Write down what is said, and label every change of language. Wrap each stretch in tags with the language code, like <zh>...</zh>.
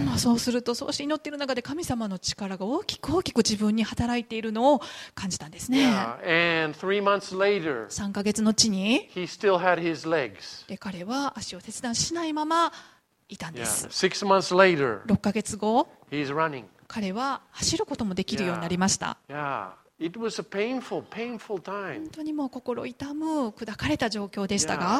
<ja>まあそうすると、そうして祈っている中で神様の力が大きく大きく自分に働いているのを感じたんですね。</ja> <en>Yeah. And three months later,</en> <ja>三ヶ月後に、</ja> <en>he still had his legs.</en> <ja>で彼は足を切断しないままいたんです。</ja> <en>Yeah. 6 months later,</en> <ja>六ヶ月後、</ja> <en>he's running.</en> <ja>彼は走ることもできるようになりました。</ja> <en>Yeah. It was a painful, painful time.</en> <ja>本当にもう心痛む砕かれた状況でしたが、</ja>